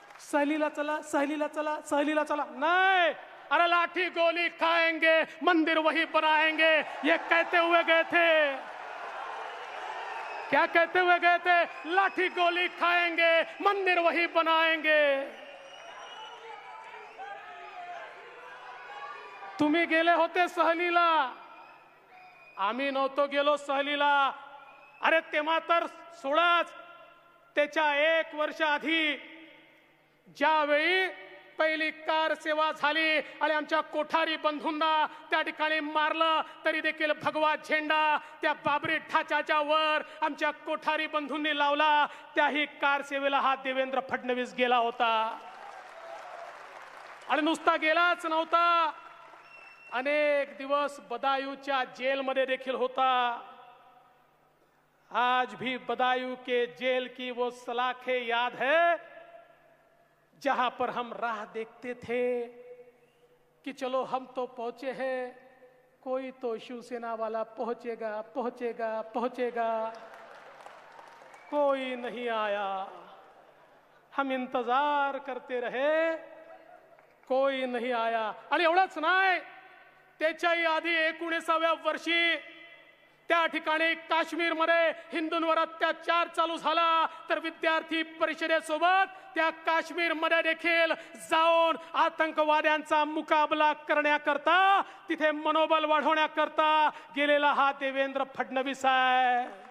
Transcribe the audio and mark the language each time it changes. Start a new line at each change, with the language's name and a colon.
Marathi: सहलीला चला, सहलीला चला, सहलीला चला,
Hindi: नहीं, अरे लाठी गोली खाएंगे, मंदिर वही बनाएंगे, ये कहते हुए गए थे। क्या कहते हुए गए थे? लाठी गोली खाएंगे, मंदिर वही बनाएंगे।
Marathi: तुम्ही गेले होते सहलीला, आम्ही नव्हतो गेलो सहलीला। अरे तेव्हा तर सोळाच, त्याच्या एक वर्ष आधी ज्यावेळी पहिली कार सेवा झाली आणि आमच्या कोठारी बंधूंना त्या ठिकाणी मारलं, तरी देखील भगवा झेंडा त्या बाबरी ठाच्याच्या वर आमच्या कोठारी बंधूंनी लावला, त्याही कार सेवेला हा देवेंद्र फडणवीस गेला होता। आणि नुसता गेलाच नव्हता, अनेक दिवस बदायूच्या जेलमध्ये देखील होता।
Hindi: आज भी बदायू के जेल की वो सलाखे याद है, जहां पर हम राह देखते थे कि चलो हम तो पहुंचे हैं, कोई तो शिवसेना वाला पहुंचेगा, पहुंचेगा, पहुंचेगा, कोई नहीं आया। हम इंतजार करते रहे, कोई नहीं आया।
Marathi: अरे एवढंच नाही, त्याच्याही आधी 19व्या वर्षी त्या ठिकाणी काश्मीर मध्ये हिंदूंवर अत्याचार चालू झाला तर विद्यार्थी परिषदेसोबत त्या काश्मीर मध्ये देखील जाऊन आतंकवाद्यांचा मुकाबला करण्याकरता तिथे मनोबल वाढवण्याकरता गेलेला हा देवेंद्र फडणवीस आहे.